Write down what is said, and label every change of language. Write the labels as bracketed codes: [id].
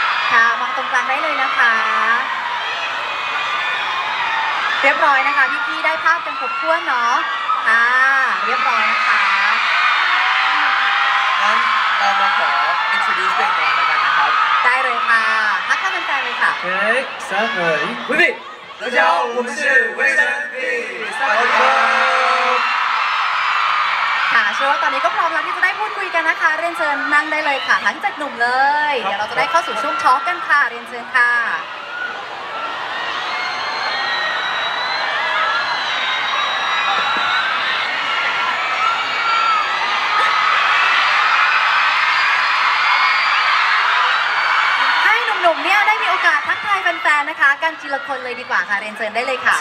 [th] ค่ะมาตรงกลางได้เลยนะคะเรียบร้อยนะคะพี่ๆได้ภาพกันครบถ้วนเนาะค่ะเรียบร้อยนะคะ งั้นเรามาขออินโทรดิวซ์ก่อนแล้วกันนะครับ ได้เลยค่ะทักทายแฟนๆเลยค่ะ เฮ้ยเซอร์เฮ้ย [zh] วิบิ大家好我们是威神 V Star [th] เชื่อว่าตอนนี้ก็พร้อมแล้วที่จะได้พูดคุยกันนะคะเรียนเชิญนั่งได้เลยค่ะทั้งเจ็ดหนุ่มเลยเดี๋ยวเราจะได้เข้าสู่ช่วงช็อคกันค่ะเรียนเชิญค่ะให้หนุ่มๆเนี่ยได้มีโอกาสทักทายแฟนๆนะคะกันทีละคนเลยดีกว่าค่ะเรียนเชิญได้เลยค่ะ